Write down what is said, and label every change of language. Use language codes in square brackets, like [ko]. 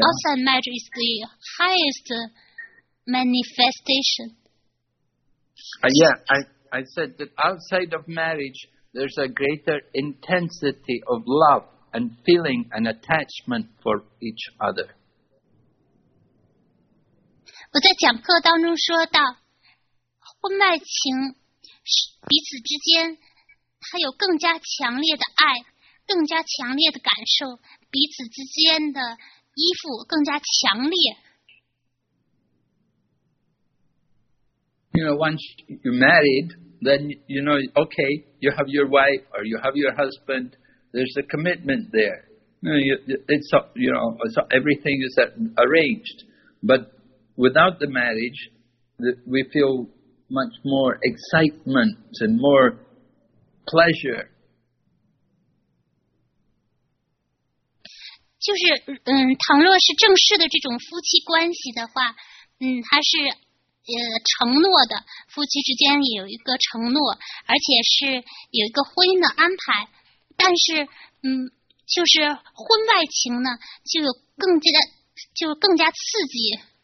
[en] outside marriage is the highest manifestation. I said that outside of marriage, there's a greater intensity of love and feeling and attachment for each other. [zh] 我在讲课当中说到，婚外情彼此之间，他有更加强烈的爱，更加强烈的感受，彼此之间的依附更加强烈。 [en] You know, once you're married, then you know, okay, you have your wife or you have your husband. There's a commitment there. You know, it's you know, it's, everything is arranged, but. Without the marriage, we feel much more excitement and more pleasure. [zh] 就是，倘若是正式的这种夫妻关系的话，它是，承诺的，夫妻之间有一个承诺，而且是有一个婚姻的安排。但是，就是婚外情呢，就更加刺激。